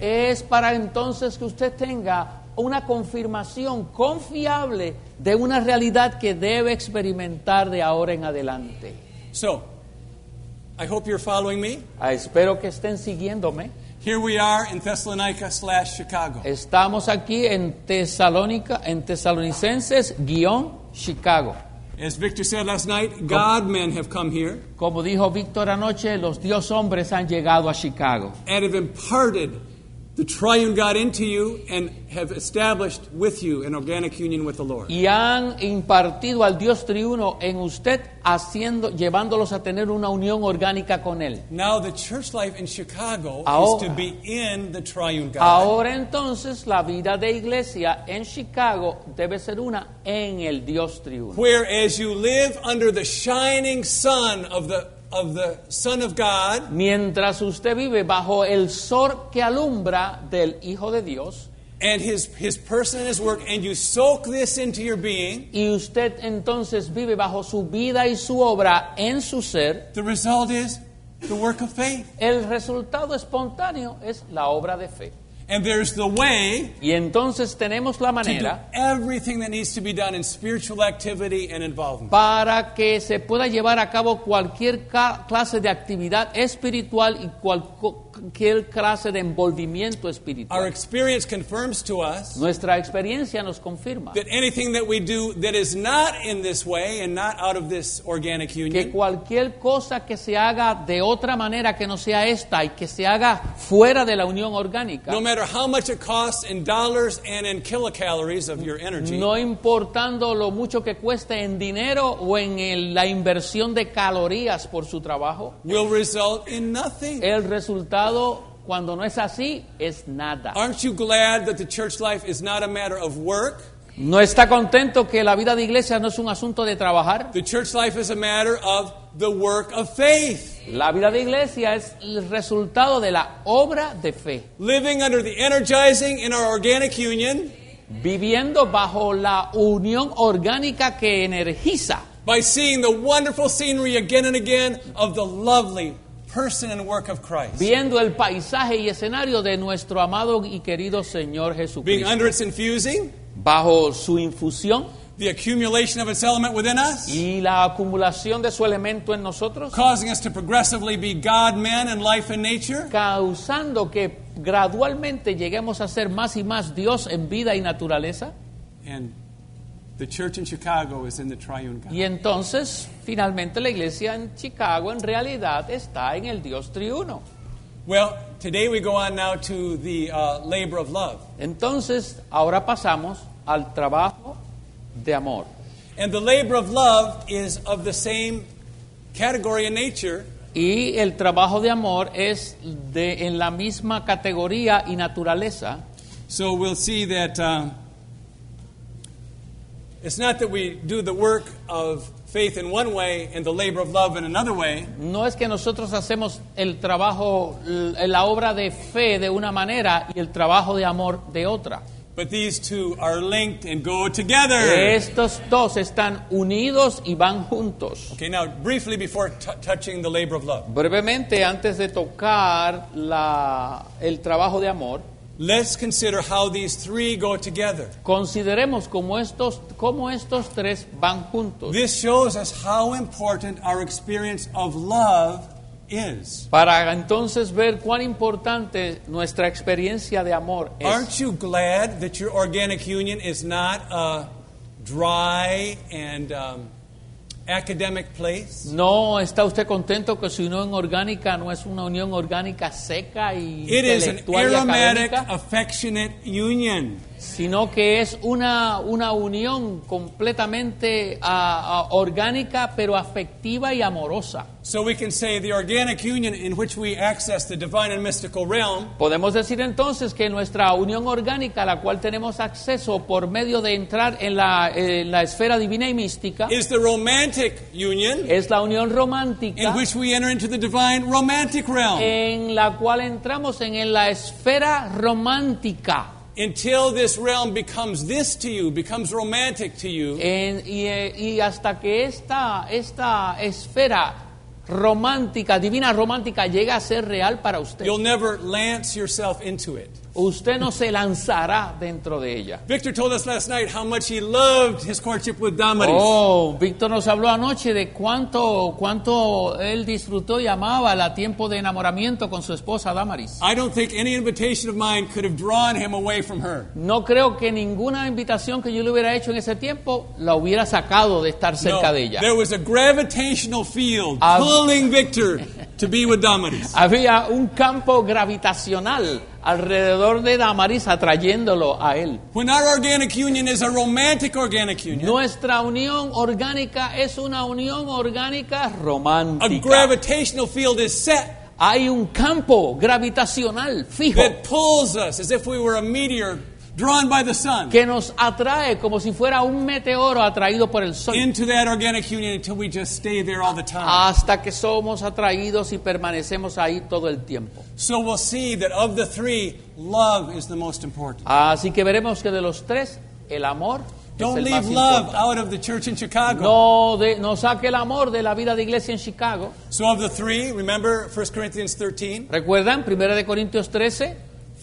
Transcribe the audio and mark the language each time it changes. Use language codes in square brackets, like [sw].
[es] Es para entonces que usted tenga una confirmación confiable de una realidad que debe experimentar de ahora en adelante. [en] So, I hope you're following me. [es] Espero que estén siguiéndome. [en] Here we are in Thessalonica/Chicago. [es] Estamos aquí en Tesalónica, en Tesalonicenses-Chicago. [en] As Victor said last night, God men have come here. [es] Como dijo Victor anoche, los Dios hombres han llegado a Chicago. [en] And have imparted the triune God into you and have established with you an organic union with the Lord. [es] Y han impartido al Dios triuno en usted, haciendo, llevándolos a tener una unión orgánica con él. [en] Now the church life in Chicago [es] ahora, [en] is to be in the triune God. [es] Ahora entonces la vida de iglesia en Chicago debe ser una en el Dios triuno. [en] Where as you live under the shining sun of the Son of God, [es] mientras usted vive bajo el sol que alumbra del Hijo de Dios, [en] and his person and his work, and you soak this into your being, [es] y usted entonces vive bajo su vida y su obra en su ser, [en] the result is the work of faith. [es] El resultado espontáneo es la obra de fe. [en] And there's the way, [es] y entonces tenemos la manera, [en] to do everything that needs to be done in spiritual activity and involvement. [es] Para que se pueda llevar a cabo cualquier clase de actividad espiritual y cualquier clase de envolvimiento espiritual. [en] Our experience confirms to us, [es] nuestra experiencia nos confirma, [en] that anything that we do that is not in this way and not out of this organic union, [es] que cualquier cosa que se haga de otra manera que no sea esta y que se haga fuera de la unión orgánica, [en] no matter how much it costs in dollars and in kilocalories of your energy, [es] no importando lo mucho que cueste en dinero o en la inversión de calorías por su trabajo, [en] will result in nothing. [es] El resultado cuando no es así es nada. [en] Aren't you glad that the church life is not a matter of work? [es] ¿No está contento que la vida de iglesia no es un asunto de trabajar? [en] The church life is a matter of the work of faith. [es] La vida de iglesia es el resultado de la obra de fe. [en] Living under the energizing in our organic union. [es] Viviendo bajo la unión orgánica que energiza. [en] By seeing the wonderful scenery again and again of the lovely, person and work of Christ. [es] Viendo el paisaje y escenario de nuestro amado y querido Señor Jesucristo. [en] Being under its infusing. [es] Bajo su infusión. [en] The accumulation of its element within us. [es] Y la acumulación de su elemento en nosotros. [en] Causing us to progressively be God-man in life and nature. [es] Causando que gradualmente lleguemos a ser más y más Dios en vida y naturaleza. [en] And the church in Chicago is in the triune God. [es] Y entonces, finalmente, la iglesia en Chicago en realidad está en el Dios triuno. [en] Well, today we go on now to the labor of love. [es] Entonces, ahora pasamos al trabajo de amor. [en] And the labor of love is of the same category in nature. [es] Y el trabajo de amor es de en la misma categoría y naturaleza. [en] So we'll see that it's not that we do the work of faith in one way and the labor of love in another way. [es] No es que nosotros hacemos el trabajo, la obra de fe de una manera y el trabajo de amor de otra. [en] But these two are linked and go together. [es] Estos dos están unidos y van juntos. [en] Okay, now briefly before touching the labor of love. [es] Brevemente antes de tocar el trabajo de amor. [en] Let's consider how these three go together. [es] Consideremos cómo estos tres van juntos. [en] This shows us how important our experience of love is. [es] Para entonces ver cuán importante nuestra experiencia de amor es. [en] Aren't you glad that your organic union is not a dry and academic place? [es] No, ¿está usted contento que su unión orgánica no es una unión orgánica seca y [en] it is an aromatic, [es] académica? [en] Affectionate union. [es] Sino que es una unión completamente orgánica, pero afectiva y amorosa. [en] So we can say the organic union in which we access the divine and mystical realm. [es] Podemos decir entonces que nuestra unión orgánica, a la cual tenemos acceso por medio de entrar en la esfera divina y mística, [en] is the romantic union. [es] Es la unión romántica [en] in which we enter into the divine romantic realm. [es] En la cual entramos en la esfera romántica. [en] Until this realm becomes this to you, becomes romantic to you. [es] Y hasta que esta esfera romántica, divina romántica, llega a ser real para usted. [en] You'll never lance yourself into it. [es] Usted no se lanzará dentro de ella. [en] Victor told us last night how much he loved his courtship with Damaris. [es] Oh, Victor nos habló anoche de cuánto él disfrutó y amaba el tiempo de enamoramiento con su esposa Damaris. [en] I don't think any invitation of mine could have drawn him away from her. [es] No creo que ninguna invitación que yo le hubiera hecho en ese tiempo la hubiera sacado de estar cerca de ella. [en] There was a gravitational field pulling Victor to be with Damaris. [es] Había un campo gravitacional alrededor de Damaris atrayéndolo a él. [en] When our organic union is a romantic organic union. [es] Nuestra unión orgánica es una unión orgánica romántica. [en] A gravitational field is set. [es] Hay un campo gravitacional fijo. [en] That pulls us as if we were a meteor drawn by the sun. [es] Que nos atrae como si fuera un meteoro atraído por el sol. [en] Into that organic union until we just stay there all the time. [es] Hasta que somos atraídos y permanecemos ahí todo el tiempo. [en] So we'll see that of the three, love is the most important. [es] Así que veremos que de los tres, el amor es el más importante. [en] Don't leave love out of the church in Chicago. [es] No saque el amor de la vida de iglesia en Chicago. [en] So of the three, remember 1 Corinthians 13. [es] ¿Recuerdan 1 de Corintios 13?